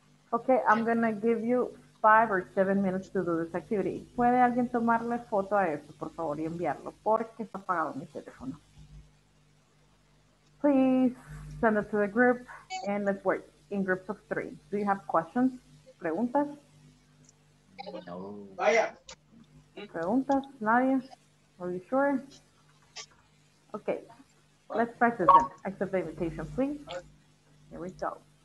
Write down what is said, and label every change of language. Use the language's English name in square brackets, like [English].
[English] Okay, I'm gonna give you 5 or 7 minutes to do this activity. [Spanish] ¿Puede alguien tomarle foto a eso, por favor, y enviarlo? Porque está apagado mi teléfono. [English] Please send it to the group and let's work in groups of 3. Do you have questions? [Spanish] ¿Preguntas? [English] No. [Spanish] Vaya. ¿Preguntas? ¿Nadie? [English] Are you sure? Okay, let's practice then. Accept the invitation, please. Here we go.